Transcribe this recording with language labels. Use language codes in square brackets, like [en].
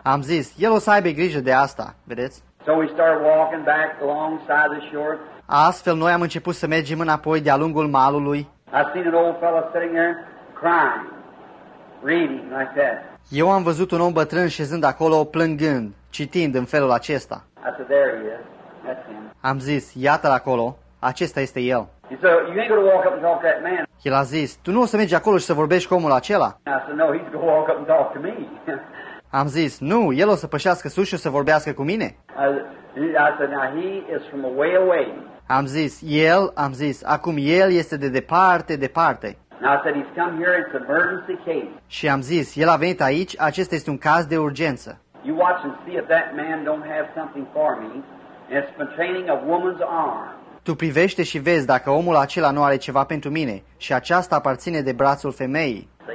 [ro] Am zis, el o să aibă grijă de asta, vedeți? [en] So we started walking back alongside the shore. [ro] Astfel, noi am început să mergem înapoi de-a lungul malului. [en] I seen an old fellow sitting there crying, reading like that. [ro] Eu am văzut un om bătrân șezând acolo plângând, citind în felul acesta. [en] I said, there he is. That's him. [ro] Am zis, iată-l acolo, acesta este el. [en] So, you ain't gonna walk up and talk to that man. [ro] El a zis, tu nu o să mergi acolo și să vorbești cu omul acela. [en] I said, no, he's gonna walk up and talk to me. [ro] Am zis, nu, el o să pășească sus și o să vorbească cu mine. [en] I said, now he is from a way away. [ro] Am zis, acum el este de departe, departe. [en] Now I said, he's come here, it's an emergency case. [ro] Și am zis, el a venit aici, acesta este un caz de urgență. [en] You watch and see if that man don't have something for me. And it's been training a woman's arm. [ro] Tu privește și vezi dacă omul acela nu are ceva pentru mine și aceasta aparține de brațul femeii.